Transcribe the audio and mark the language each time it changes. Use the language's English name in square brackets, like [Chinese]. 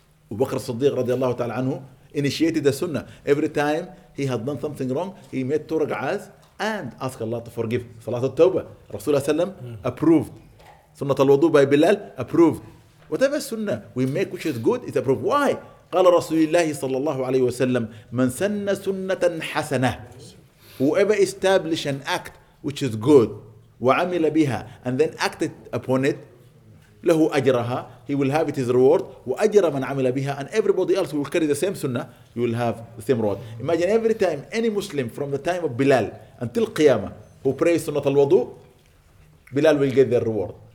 [English] Ubakr Siddiq radiallahu ta'ala anhu initiated the sunnah. Every time he had done something wrong, he made two rak'ahs and asked Allah to forgive. Salat al-Tawbah, Rasulullah sallam approved. Sunnah al-Wudu by Bilal, approved. Whatever sunnah we make which is good, it's approved. Why? [Arabic] قال رسول الله صلى الله عليه وسلم من سن سنة حسنة. [English] Whoever establish an act which is good [Arabic] وعمل بها [English] and then acted upon it, [Arabic] له أجرها, [English] he will have it his reward, [Arabic] وأجر من عمل بها, [English] and everybody else will carry the same sunnah, you will have the same reward. Imagine every time any Muslim from the time of Bilal until Qiyamah who prays sunnah al-wadu, Bilal will get their reward.